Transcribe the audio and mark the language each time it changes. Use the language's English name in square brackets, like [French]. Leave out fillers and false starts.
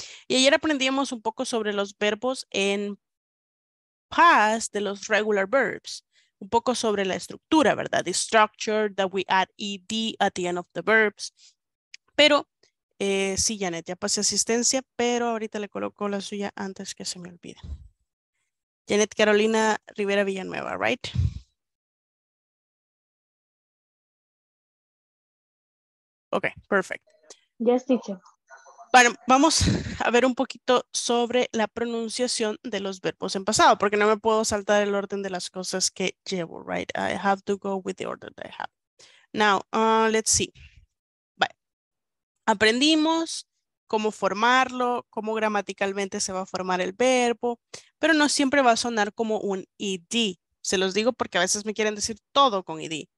[Spanish] Y ayer aprendíamos un poco sobre los verbos en past de los [English] regular verbs. [Spanish] Un poco sobre la estructura, ¿verdad? [English] The structure that we add ed at the end of the verbs. [Spanish] Pero, sí, Janet, ya pasé asistencia, pero ahorita le coloco la suya antes que se me olvide. [English] Janet Carolina Rivera Villanueva, right? Okay, perfect. Yes, teacher. [Spanish] Bueno, vamos a ver un poquito sobre la pronunciación de los verbos en pasado, porque no me puedo saltar el orden de las cosas que llevo, [English] right? I have to go with the order that I have. Now, let's see. Bye. [Spanish] Aprendimos cómo formarlo, cómo gramaticalmente se va a formar el verbo, pero no siempre va a sonar como un ed. Se los digo porque a veces me quieren decir todo con ed.